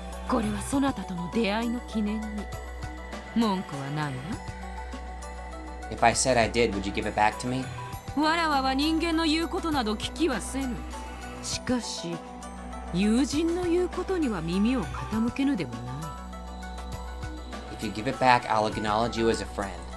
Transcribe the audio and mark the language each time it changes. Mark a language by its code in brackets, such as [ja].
[ja] これはそなたとの出会いの記念に。文句はないわ。 [en] If I said I did, would you give it back to me? [ja] わらわは人間の言うことなど聞きはせぬ。しかし、友人の言うことには耳を傾けぬでもない。 [en] If you give it back, I'll acknowledge you as a friend.